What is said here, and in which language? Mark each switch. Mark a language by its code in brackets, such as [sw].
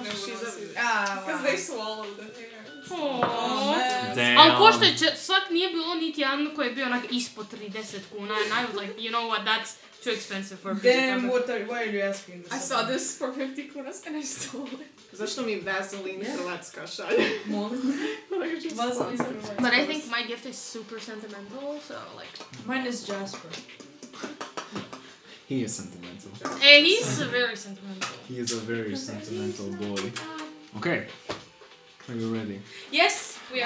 [en] she's because wow. they swallowed it. Aww. Damn. [hr] Ali ko što je, svak nije bilo niti jedan koji je bio onak ispod 30 kuna, [en] and I was like, you know what, that's too expensive for a damn, what are you asking? I saw this for 50 kunas and I stole it. [hr] Zašto mi Vaseline Hrvatska šalje? Molim. Vaseline. [en] But I think my gift is super sentimental, so like... Mine is Jasper. He is sentimental. And he's very sentimental. He is a very sentimental boy. Okay. Are you ready? Yes, we are.